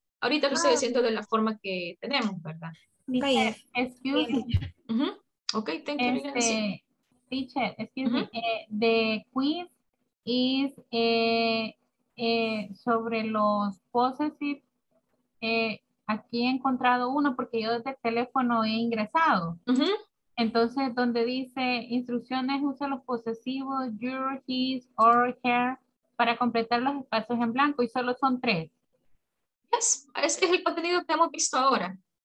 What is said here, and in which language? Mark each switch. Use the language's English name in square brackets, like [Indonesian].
[Spanish] Ahorita lo estoy haciendo de la forma que tenemos, ¿verdad? [English] Excuse me. Ok, thank you. Excuse me, the quiz is [Spanish] sobre los [English] possessive. [Spanish] Aquí he encontrado uno porque yo desde el teléfono he ingresado. Uh-huh. Entonces, donde dice instrucciones, usa los posesivos, your, his, or, her, para completar los espacios en blanco y solo son tres. Yes, es que es el contenido que hemos visto ahora.